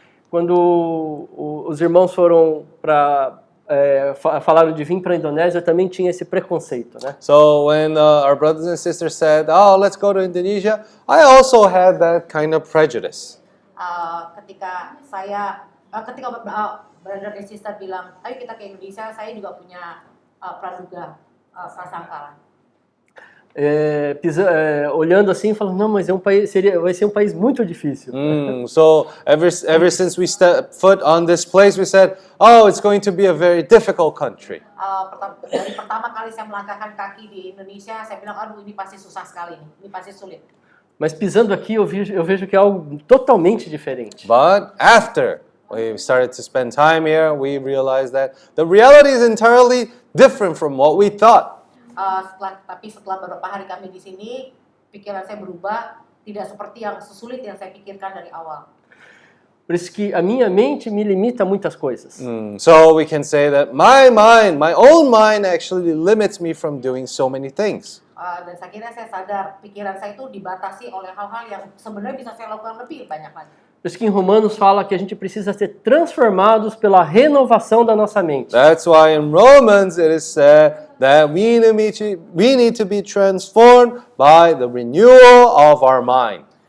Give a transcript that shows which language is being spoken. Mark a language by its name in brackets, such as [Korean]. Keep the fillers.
[Portuguese] Quando os irmãos foram para é, falaram de vir para a Indonésia, também tinha esse preconceito, né? [English] So when uh, our brothers and sisters said, "Oh, let's go to Indonesia," I also had that kind of prejudice. [Indonesian] Uh, ketika saya uh, ketika uh, [English] brother and sister [Indonesian] bilang, "Ayo kita ke Indonesia," saya juga punya uh, [Portuguese] é, pisa, é, olhando assim mm, e falando não, mas é [English] so ever, ever since we stepped foot on this place, we said, oh, it's going to be a very difficult country. but after we started to spend time here, we realized that the reality is entirely different from what we thought. [Indonesian] uh, setelah tapi setelah beberapa hari kami di sini pikiran saya berubah tidak seperti yang sesulit yang saya pikirkan dari awal. [Portuguese] Por isso a minha mente me limita muitas coisas. [English] Mm. So we can say that my mind, my own mind actually limits me from doing so many things. [Indonesian] Uh, dan saya saya sadar pikiran saya itu dibatasi oleh hal-hal yang sebenarnya bisa saya lakukan lebih banyak lagi. [Portuguese] Por isso que em Romanos fala que a gente precisa ser transformados pela renovação da nossa mente. [English] That's why in Romans it is said that we need to be, we need to be transformed by the renewal of our mind.